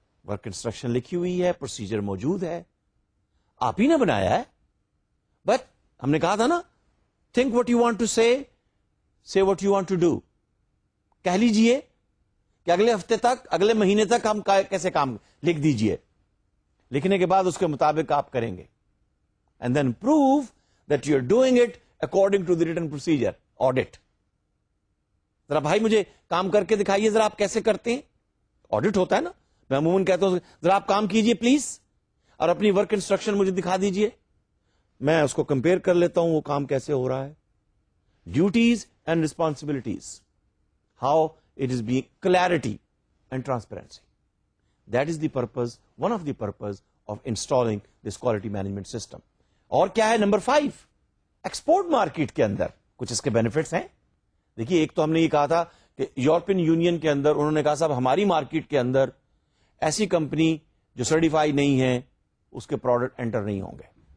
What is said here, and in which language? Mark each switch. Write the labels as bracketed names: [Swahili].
[Urdu] Work instruction لکھی ہوئی ہے، پروسیجر موجود ہے، آپ ہی نے بنایا ہے. [English] but [Urdu] ہم نے کہا تھا نا، [English] Think what you want to say, see what you want to do. [Urdu] کہہ لیجئے کہ اگلے ہفتے تک، اگلے مہینے تک ہم کیسے کام، لکھ دیجئے، لکھنے کے بعد اس کے مطابق آپ کریں گے. [English] And then proof that you are doing it according to the written procedure audit. [Urdu] ذرا بھائی مجھے کام کر کے دکھائیے ذرا آپ کیسے کرتے ہیں. آڈٹ ہوتا ہے نا، میں عموماً کہتا ہوں ذرا آپ کام کیجئے پلیز، اور اپنی ورک انسٹرکشن مجھے دکھا دیجئے، میں اس کو کمپیئر کر لیتا ہوں وہ کام کیسے ہو رہا ہے. [English] Duties and responsibilities, how it is be clarity and transparency. That is the purpose, one of the purpose of installing this quality management system. [Urdu] اور کیا ہے نمبر 5؟ ایکسپورٹ مارکیٹ کے اندر کچھ اس کے بینیفٹس ہیں. دیکھیے، ایک تو ہم نے یہ کہا تھا کہ یورپین یونین کے اندر انہوں نے کہا صاحب ہماری مارکیٹ کے اندر ایسی کمپنی جو سرٹیفائی نہیں ہے اس کے پروڈکٹ انٹر نہیں ہوں گے.